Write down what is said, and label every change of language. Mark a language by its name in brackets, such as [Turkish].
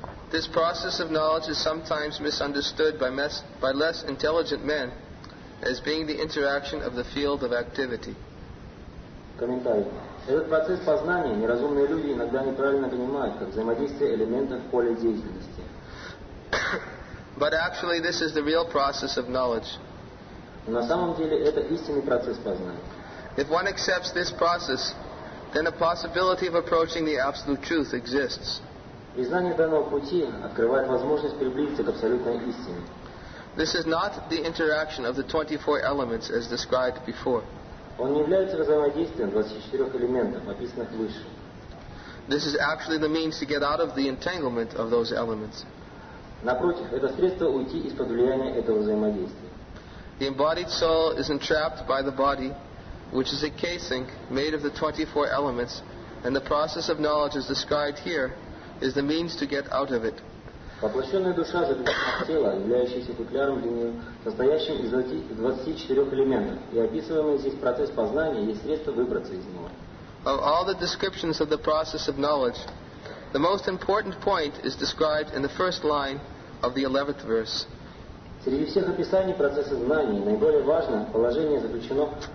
[English] This process of knowledge is sometimes misunderstood by less intelligent men as being the interaction of the field of activity. [Russian] Комментарий. Этот процесс познания неразумные люди иногда неправильно понимают как взаимодействие элементов поля деятельности. [English] But actually, this is the real process of knowledge. [Russian] На самом деле, это истинный процесс познания. [English] If one accepts this process, then a possibility of approaching the Absolute Truth exists. [Russian] Признание данного пути открывает возможность приблизиться к абсолютной истине. [English] This is not the interaction of the 24 elements as described before. [Russian] Он не является взаимодействием 24 элементов, описанных выше. [English] This is actually the means to get out of the entanglement of those elements. [Russian] Напротив, это средство уйти из-под влияния этого взаимодействия. [English] The embodied soul is entrapped by the body, which is a casing made of the 24 elements, and the process of knowledge as described here is the means to get out of it. [Russian] Воплощенная душа заключена в тело, являющееся футляром для нее, состоящим из 24 элементов, и описываемый здесь процесс познания есть средство выбраться из него. [English] Of all the descriptions of the process of knowledge, the most important point is described in the first line of the 11th verse. [Russian] Среди всех описаний процесса знания наиболее важное положение заключено